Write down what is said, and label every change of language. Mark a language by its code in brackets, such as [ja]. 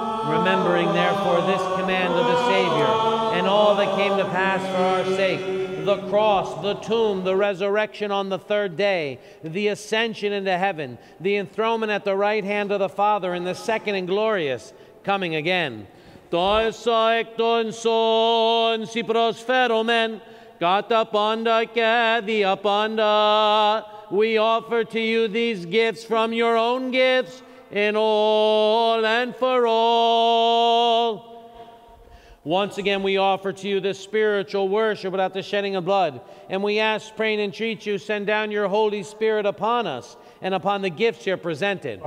[en] Remembering, therefore, this command of the Savior, and all that came to pass for our sake, the cross, the tomb, the resurrection on the third day, the ascension into heaven, the enthronement at the right hand of the Father, and the second and glorious coming again. [el] Τόσα εκ των σών συπροσφέρομεν, κατά πάντα και δια πάντα. [en] We offer to you these gifts from your own gifts, in all and for all. Once again, we offer to you this spiritual worship without the shedding of blood, and we ask, pray, and entreat you, send down your Holy Spirit upon us and upon the gifts here presented.